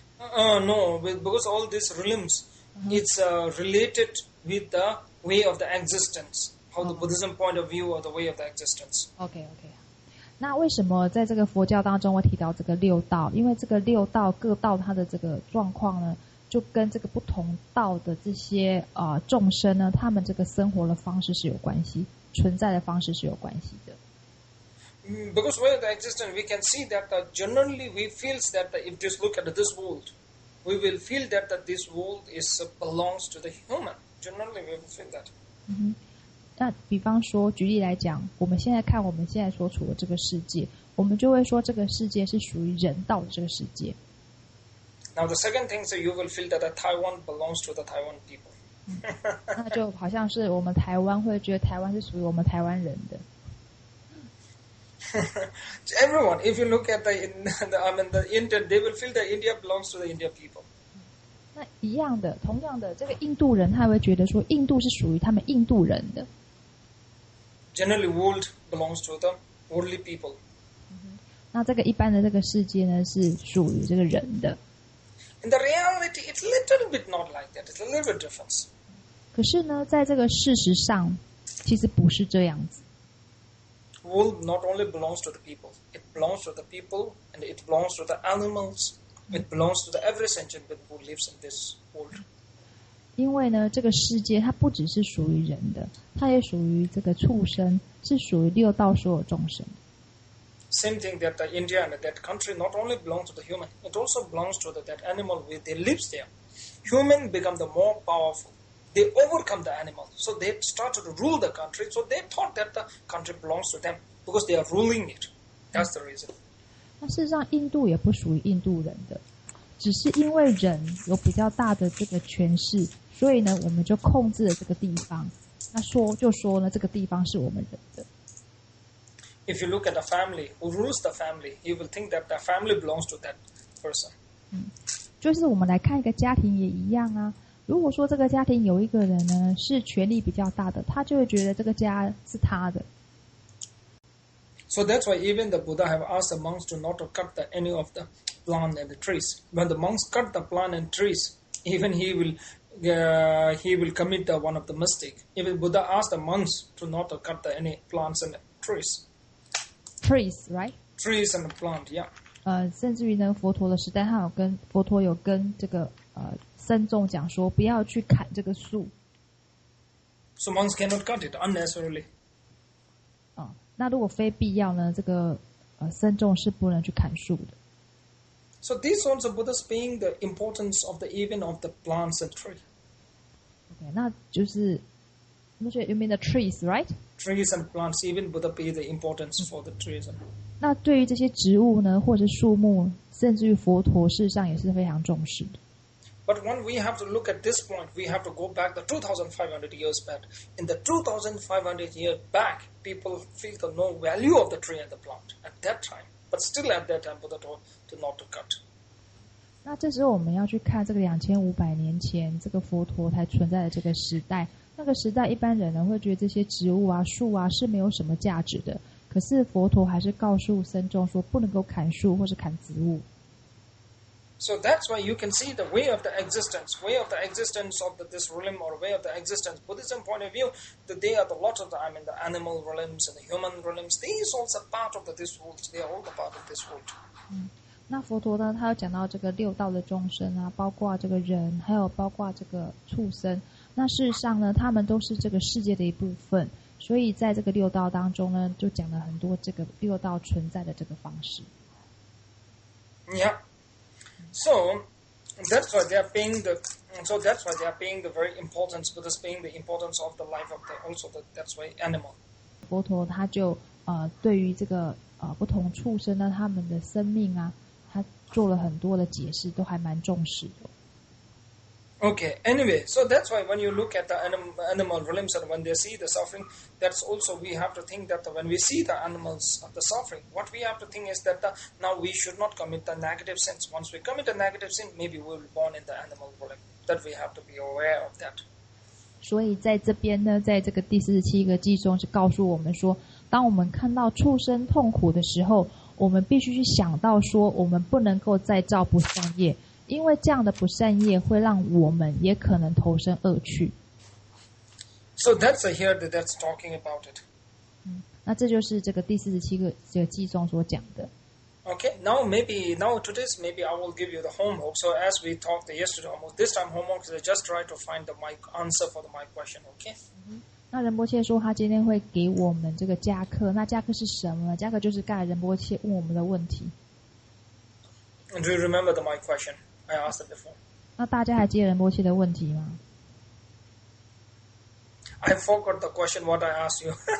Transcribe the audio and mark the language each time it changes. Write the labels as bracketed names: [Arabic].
[English] No, because all these realms, it's related with the way of the existence. how the Buddhism point of view or the way of the existence. Okay, okay. [Chinese] 那为什么在这个佛教当中会提到这个六道？因为这个六道各道它的这个状况呢，就跟这个不同道的这些众生呢，他们这个生活的方式是有关系，存在的方式是有关系的。 [English] Because where the existence, we can see that generally we feel that if just look at this world, we will feel that this world is belongs to the human. Generally, we will feel that. [Chinese] 嗯哼，那比方说，举例来讲，我们现在看我们现在所处的这个世界，我们就会说这个世界是属于人道的这个世界。 [English] Now the second thing is that you will feel that Taiwan belongs to the Taiwan people. [Chinese] 那就好像是我们台湾会觉得台湾是属于我们台湾人的。 [English] Everyone, if you look at the Indian, they will feel that India belongs to the Indian people. [Chinese] 那一样的，同样的，这个印度人他会觉得说印度是属于他们印度人的。 [English] Generally, world belongs to the worldly people. [Chinese] 那这个一般的这个世界呢，是属于这个人的。 [English] In the reality, it's a little bit not like that. It's a little bit different. [Chinese] 可是呢，在这个事实上，其实不是这样子。 [English] World not only belongs to the people, it belongs to the people, and it belongs to the animals, it belongs to the every sentient being who lives in this world. [Chinese] 因为呢，这个世界它不只是属于人的，它也属于这个畜生，是属于六道所有众生。 [English] Same thing that India and that country not only belongs to the human, it also belongs to that animal where they live there. Human become the more powerful. They overcome the animal. So they started to rule the country. So they thought that the country belongs to them because they are ruling it. That's the reason. [Chinese] 那事实上印度也不属于印度人的，只是因为人有比较大的这个权势，所以呢我们就控制了这个地方，那说就说呢这个地方是我们人的。 [English] If you look at a family, who rules the family, you will think that the family belongs to that person. [Chinese] 就是我们来看一个家庭也一样啊。如果说这个家庭有一个人呢，是权力比较大的，他就会觉得这个家是他的。 [English] So that's why even the Buddha have asked the monks to not to cut the, any of the plant and the trees. When the monks cut the plant and trees, even he will commit the one of the mistake. Even Buddha asked the monks to not to cut the, any plants and trees. Trees, right? Trees and plant, yeah. [Chinese] 甚至于呢，佛陀的时代，他有跟佛陀有跟这个僧众讲说，不要去砍这个树。 [English] So monks cannot cut it unnecessarily. [Chinese] 那如果非必要呢？这个僧众是不能去砍树的。 [English] So these ones are Buddha saying the importance of the even of the plants and tree. Okay, [Chinese] 那就是。 [English] You mean the trees, right? Trees and plants, even Buddha pay the importance for the trees. [Chinese] 那对于这些植物呢，或者树木，甚至于佛陀，事实上也是非常重视的。 [English] But when we have to look at this point, we have to go back the 2,500 years back. In the 2,500 years back, people feel the no value of the tree and the plant at that time. But still at that time, Buddha told them not to cut. [Chinese] 那这时候我们要去看这个2500年前这个佛陀才存在的这个时代。那个时代一般人呢会觉得这些植物啊树啊是没有什么价值的，可是佛陀还是告诉僧众说不能够砍树或是砍植物。 [English] So that's why you can see the way of the existence, way of the existence of the, this realm or way of the existence Buddhism point of view, that they are the lot of the, I mean the animal realms and the human realms, these all are part of the, this world, they are all the part of this world. [Chinese] 那佛陀呢他有讲到这个六道的众生啊，包括这个人还有包括这个畜生，那事实上呢他们都是这个世界的一部分，所以在这个六道当中呢就讲了很多这个六道存在的这个方式。 [English] Yeah, so that's why they are paying the, so that's why they are paying the very importance, but it's paying the importance of the life of the, also the, that's why animal. [Chinese] 佛陀他就对于这个不同畜生呢他们的生命啊他做了很多的解释，都还蛮重视的。 [English] Okay, anyway, so that's why when you look at the animal realms and when they see the suffering, that's also we have to think that when we see the animals of the suffering, what we have to think is that now we should not commit the negative sins. Once we commit a negative sin, maybe we will be born in the animal realm. That we have to be aware of that. [Chinese] 所以在这边呢，在这个第四十七个偈中是告诉我们说，当我们看到畜生痛苦的时候，我们必须去想到说，我们不能够再造不善业。因为这样的不善业会让我们也可能投身恶趣。 [English] So that's here that that's talking about it. [Chinese] 那这就是这个第四十七个这个记诵所讲的。 [English] Okay, now maybe now to this maybe I will give you the homework. So as we talked yesterday, this time homework is just try to find the my answer for the my question. Okay. [Chinese] 那仁波切说他今天会给我们这个加课。那加课是什么呢？加课就是刚才仁波切问我们的问题。 [English] Do you remember the my question I asked before? [Chinese] 那大家还记得仁波切的问题吗？ [English] I forgot the question what I asked you.